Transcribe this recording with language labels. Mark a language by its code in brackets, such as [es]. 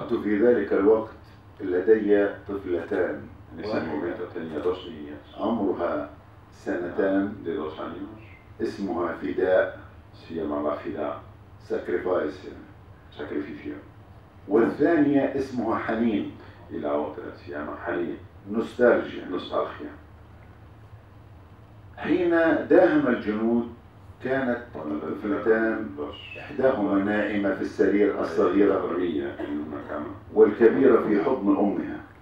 [ar] كنت في ذلك الوقت لدي طفلتان. [es] En ese momento tenía dos niñas. [ar] عمرها سنتان. [es] De dos años. [ar] اسمها فداء. [es] Se llamaba فداء. [en] Sacrifice. [es] Sacrificio. [ar] والثانية اسمها حنين. [es] Y la otra se llama حنين. [en] Nostalgia. [es] Nostalgia. [ar] حين داهم الجنود كانت طفلتان إحداهما نائمة في السرير الصغيرة والكبيرة في حضن أمها.